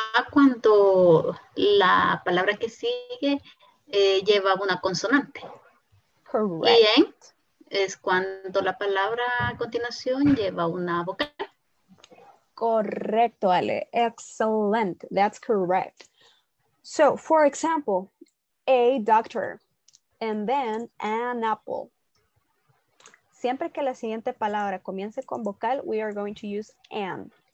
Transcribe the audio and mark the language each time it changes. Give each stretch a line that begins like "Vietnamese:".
Spanish: Cuando la palabra que sigue lleva una consonante.
English: Correct.
Spanish: Bien. Es cuando la palabra a continuación lleva una vocal. Correcto, Ale.
English: Excellent. That's correct. So, for example, a doctor and then an apple.
Spanish: Siempre que la siguiente palabra comience con vocal,
English: we are going to use an.